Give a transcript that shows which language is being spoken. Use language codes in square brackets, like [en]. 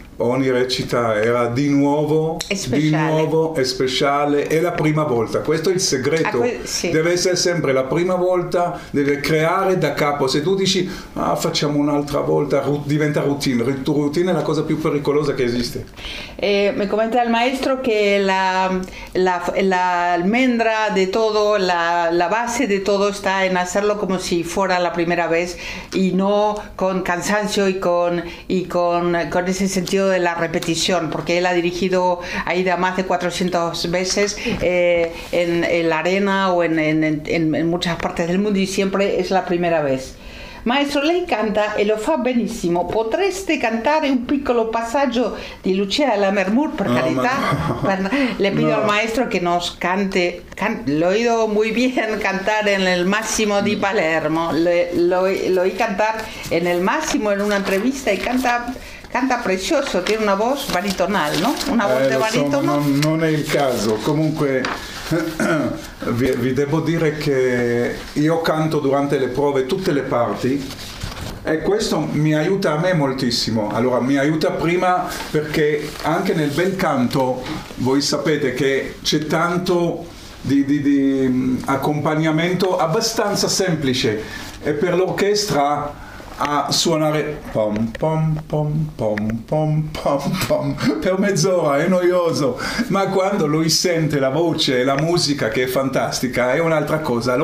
[it] Ogni recita era di nuovo, è speciale, è la prima volta. Questo è il segreto. Sì. Deve essere sempre la prima volta, deve creare da capo. Se tu dici, ah, facciamo un'altra volta, diventa routine. Routine è la cosa più pericolosa che esiste. Mi commenta il maestro che [es] la almendra di tutto, la base di tutto sta in hacerlo come se fuera la prima vez e non con cansancio e con ese sentido de la repetición, porque él ha dirigido Aida más de 400 veces en la arena o en muchas partes del mundo y siempre es la primera vez. [it] Maestro, lei canta e lo fa benissimo. Potreste cantare un piccolo passaggio di Lucia la Mermur, per carità? No. [es] Le pido al maestro che nos cante. Lo he oído muy bien cantar en el Massimo di Palermo. Lo oí cantar en el Massimo en una entrevista y canta precioso, tiene una voz baritonal, no? Una voz de baritono. [it] Sono, non è il caso. Comunque vi devo dire che io canto durante le prove tutte le parti e questo mi aiuta a me moltissimo. Allora, mi aiuta prima perché anche nel bel canto voi sapete che c'è tanto di accompagnamento abbastanza semplice e per l'orchestra a suonare pom pom pom pom pom pom pom per mezz'ora è noioso, ma quando lui sente la voce e la musica che è fantastica è un'altra cosa.